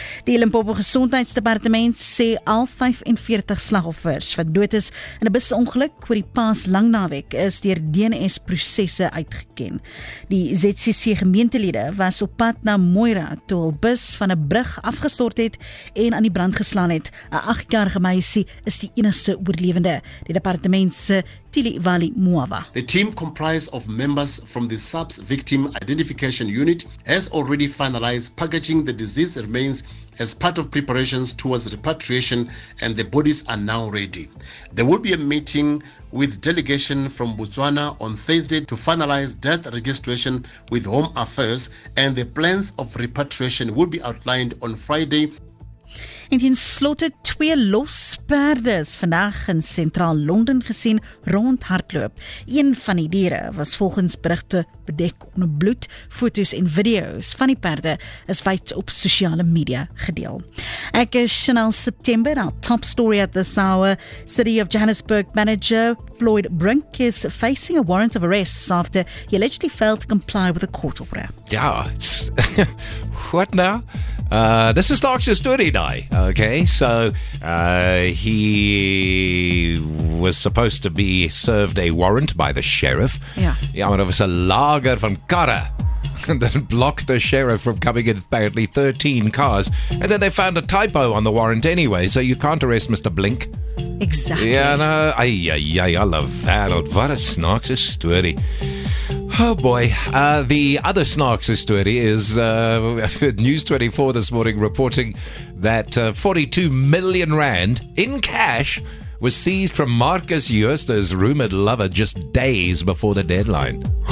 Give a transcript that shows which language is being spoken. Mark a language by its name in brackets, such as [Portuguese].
[Afrikaans] Die Limpopo Gesondheidsdepartement sê al 45 slagoffers wat dood is in 'n busongeluk oor die pas lang naweek is deur DNS prosesse uitgeken. Die ZCC gemeentelede was op pad na Moira toe hul bus van 'n brug afgestort het en aan die brand geslaan het. 'N 8-jarige meisie is die enigste oorlewende. Die departement se Tiliwali Muava. [English] The team comprised of members from the SAPS Victim Identification Unit has already finalized packaging the deceased remains as part of preparations towards repatriation, and the bodies are now ready. There will be a meeting with delegation from Botswana on Thursday to finalize death registration with Home Affairs, and the plans of repatriation will be outlined on Friday. [Afrikaans] En ten slotte twee losperde is vandag in sentraal Londen gesien rond hardloop. Een van die diere was volgens berigte bedek onder bloed. Foto's en video's van die perde is wyd op sosiale media gedeel. Ek is [English] Chanel September, our top story at this hour. City of Johannesburg manager Floyd Brink is facing a warrant of arrest after he allegedly failed to comply with a court order. Ja, it's... what now? This is Doctor's story now. Okay, so he was supposed to be served a warrant by the sheriff. Yeah. [Afrikaans] Ja, maar dat was een lager van karre. [English] And then blocked the sheriff from coming in apparently 13 cars. And then they found a typo on the warrant anyway, so you can't arrest Mr. Blink. Exactly. Yeah, no. Ay, ay, ay, I love that. What a snarksy story. Oh boy, the other snarksy story is News 24 this morning reporting that 42 million rand in cash was seized from Marcus Huerster's rumored lover just days before the deadline.